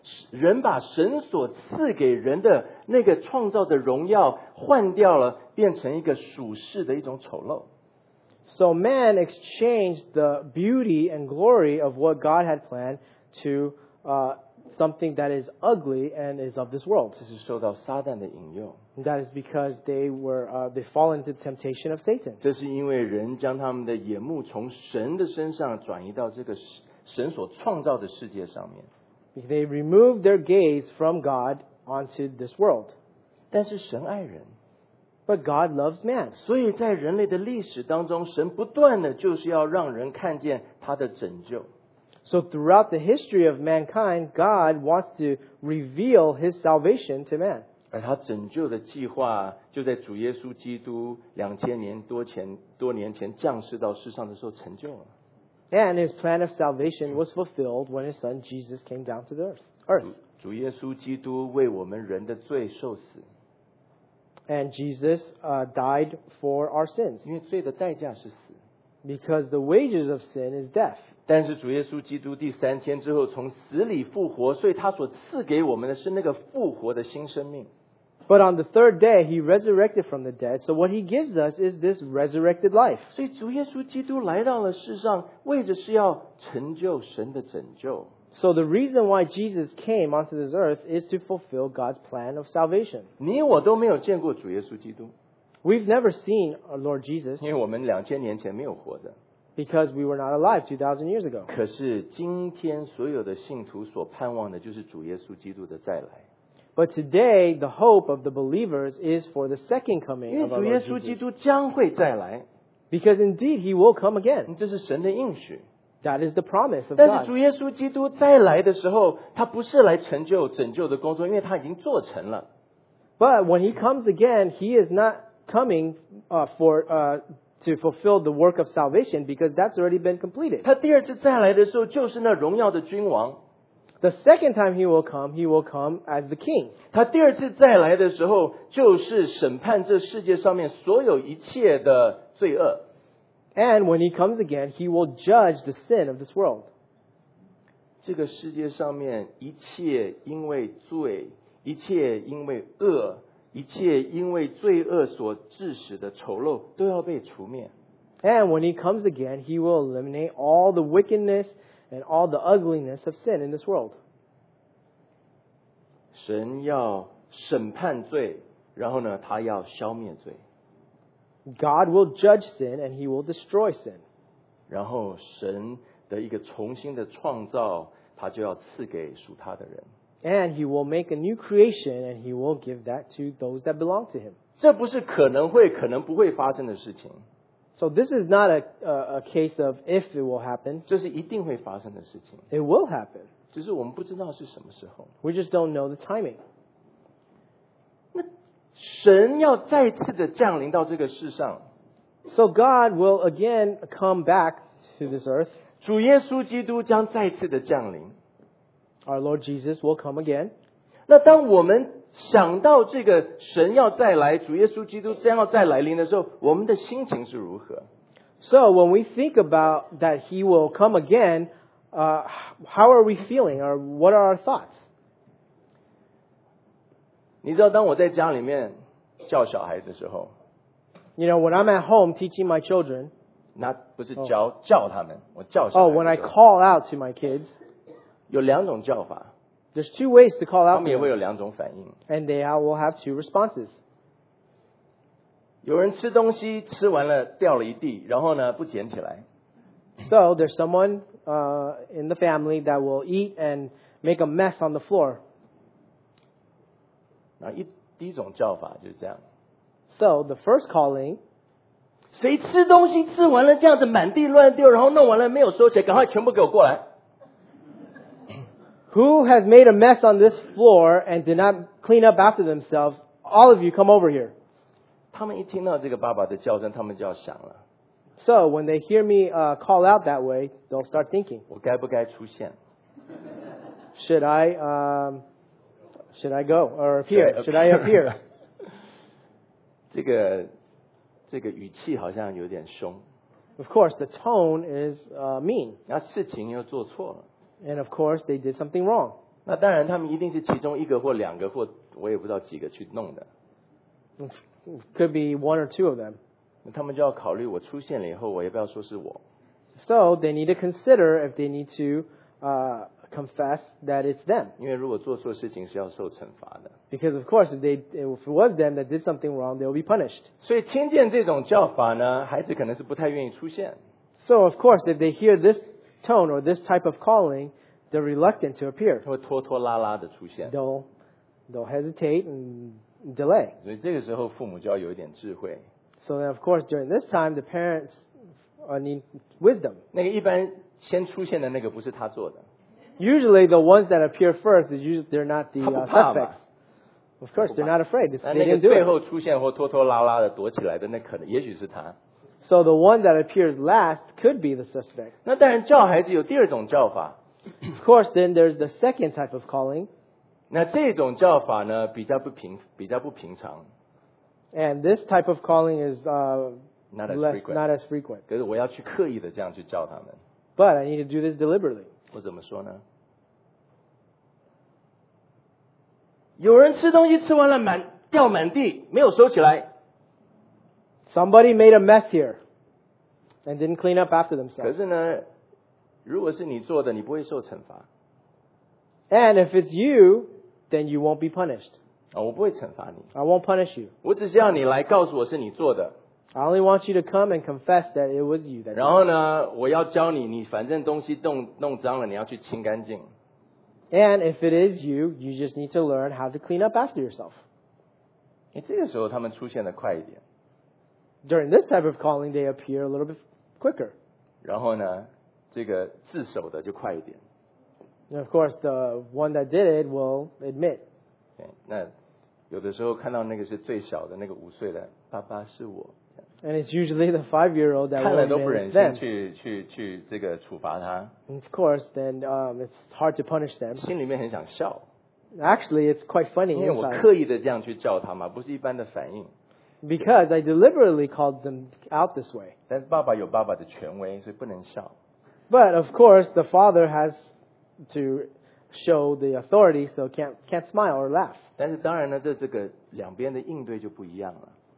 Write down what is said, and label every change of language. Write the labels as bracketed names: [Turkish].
[Chinese] 人把神所赐给人的那个创造的荣耀换掉了，变成一个属世的一种丑陋。 [English] So man exchanged the beauty and glory of what God had planned to something that is ugly and is of this world. [Chinese] 这是受到撒旦的引诱。 [English] That is because they fall into the temptation of Satan. [Chinese] 这是因为人将他们的眼目从神的身上转移到这个神所创造的世界上面。 [English] They removed their gaze from God onto this world. [Chinese] 但是神爱人。 [English] But God loves man. [Chinese] 所以在人类的历史当中，神不断的就是要让人看见他的拯救。 [English] So throughout the history of mankind, God wants to reveal his salvation to man. [Chinese] 而他拯救的计划就在主耶稣基督2000年多前降世到世上的时候成就了。 [English] And his plan of salvation was fulfilled when his son Jesus came down to the earth. [Chinese] 主耶稣基督为我们人的罪受死。 [English] And Jesus died for our sins. [Chinese] 因为罪的代价是死。 [English] Because the wages of sin is death. [Chinese] 但是主耶稣基督第三天之后从死里复活，所以他所赐给我们的是那个复活的新生命。 [English] But on the third day, he resurrected from the dead. So what he gives us is this resurrected life. [Chinese] 所以主耶稣基督来到了世上，为的是要成就神的拯救。 [English] So the reason why Jesus came onto this earth is to fulfill God's plan of salvation. [Chinese] 你我都没有见过主耶稣基督。 [English] We've never seen our Lord Jesus. [Chinese] 因为我们两千年前没有活着。 [English] Because we were not alive 2,000 years ago. [Chinese] 可是今天所有的信徒所盼望的就是主耶稣基督的再来。 [English] But today, the hope of the believers is for the second coming of our Lord Jesus. [Chinese] 因为主耶稣基督将会再来。 [English] Because indeed, he will come again. [Chinese] 这是神的应许。 [English] That is the promise of God. [Chinese] 但是主耶稣基督再来的时候，他不是来成就拯救的工作，因为他已经做成了。 [English] But when he comes again, he is not coming to fulfill the work of salvation because that's already been completed. [Chinese] 他第二次再来的时候，就是那荣耀的君王。 [English] The second time he will come as the king. [Chinese] 他第二次再来的时候，就是审判这世界上面所有一切的罪恶。 [English] And when he comes again, he will judge the sin of this world. [Chinese] 这个世界上面一切因为罪，一切因为恶，一切因为罪恶所致使的丑陋都要被除灭。 [English] And when he comes again, he will eliminate all the wickedness and all the ugliness of sin in this world. [Chinese] 神要审判罪，然后呢，他要消灭罪。 [English] God will judge sin and he will destroy sin. [Chinese] 然后神的一个重新的创造，他就要赐给属他的人。 [English] And he will make a new creation and he will give that to those that belong to him. [Chinese] 这不是可能会可能不会发生的事情。 [English] So this is not a case of if it will happen. [Chinese] 这是一定会发生的事情。 [English] It will happen. [Chinese] 只是我们不知道是什么时候。 [English] We just don't know the timing. [Chinese] 神要再次的降临到这个世上。 [English] So God will again come back to this earth. [Chinese] 主耶稣基督将再次的降临。 [English] Our Lord Jesus will come again. [Chinese] 那当我们想到这个神要再来，主耶稣基督将要再来临的时候，我们的心情是如何？ [English] So when we think about that he will come again, how are we feeling or what are our thoughts? [Chinese] 你知道当我在家里面教小孩的时候 [English] You know, when I'm at home teaching my children [Chinese] 那不是教、oh. 教他们我教小孩 [English] Oh, when I call out to my kids [Chinese] 有两种教法 [English] There's two ways to call out [Chinese] 他们也会有两种反应 [English] And they will have two responses [Chinese] 有人吃东西吃完了掉了一地然后呢不捡起来 [English] So, there's someone in the family that will eat and make a mess on the floor [Chinese] 然后第一种叫法就是这样。 [English] So, the first calling, [Chinese] 谁吃东西吃完了这样子满地乱丢然后弄完了没有收起来赶快全部给我过来。 [English] Who has made a mess on this floor and did not clean up after themselves? All of you come over here. [Chinese] 他们一听到这个爸爸的叫声他们就要想了。 [English] So, when they hear me call out that way, they'll start thinking. [Chinese] 我该不该出现 [English] Should I... Should I go or appear? Should I appear? [Chinese] 这个语气好像有点凶。 [English] Of course, the tone is mean. [Chinese] 那事情又做错了。 [English] And of course, they did something wrong. [Chinese] 那当然，他们一定是其中一个或两个或我也不知道几个去弄的。 [English] Could be one or two of them. [Chinese] 那他们就要考虑，我出现了以后，我要不要说是我 [English] ？So they need to consider if they need to. Confess that it's them. [Chinese] 因为如果做错事情是要受惩罚的。 [English] Because of course, if it was them that did something wrong, they'll be punished. [Chinese] 所以听见这种叫法呢，孩子可能是不太愿意出现。 [English] So of course, if they hear this tone or this type of calling, they're reluctant to appear. [Chinese] 会拖拖拉拉的出现。 [English] They'll hesitate and delay. [Chinese] 所以这个时候父母就要有一点智慧。 [English] So then, of course, during this time, the parents need wisdom. [Chinese] 那个一般先出现的那个不是他做的。 [English] Usually, the ones that appear first, they're not the suspects. Of course, they're not afraid. They didn't do it. [Chinese] 那个最后出现或拖拖拉拉的躲起来的，那可能也许是他。 [English] So the one that appears last could be the suspect. [Chinese] 那当然，叫孩子有第二种叫法。 [English] Of course, then there's the second type of calling. [Chinese] 那这种叫法呢，比较不平常。 [English] And this type of calling is not as frequent. [Chinese] 可是我要去刻意的这样去叫他们。 [English] But I need to do this deliberately. [Chinese] 我怎么说呢？有人吃东西吃完了满掉满地，没有收起来。 [English] Somebody made a mess here and didn't clean up after themselves. [Chinese] 可是呢，如果是你做的，你不会受惩罚。 [English] And if it's you, then you won't be punished. [Chinese] 我不会惩罚你。 [English] I won't punish you. [Chinese] 我只是要你来告诉我是你做的。 [English] I only want you to come and confess that it was you that did it. [Chinese] 然后呢，我要教你，你反正东西弄脏了，你要去清干净。 [English] And if it is you, you just need to learn how to clean up after yourself. [Chinese] 这个时候他们出现的快一点。 [English] During this type of calling, they appear a little bit quicker. [Chinese] 然后呢，这个自首的就快一点。 [English] And of course, the one that did it will admit. [Chinese] Okay, 那有的时候看到那个是最小的，那个五岁的，爸爸是我。 [English] And it's usually the five-year-old that will admit [Chinese] them. 去这个处罚他。 [English] And of course, then it's hard to punish them. [Chinese] 心里面很想笑。 [English] Actually, it's quite funny. [Chinese] 因为我刻意的这样去叫他嘛，不是一般的反应。 [English] Because I deliberately called them out this way. [Chinese] 但爸爸有爸爸的权威，所以不能笑。 [English] But of course, the father has to show the authority, so can't smile or laugh. [Chinese] 但是当然呢，这个两边的应对就不一样了。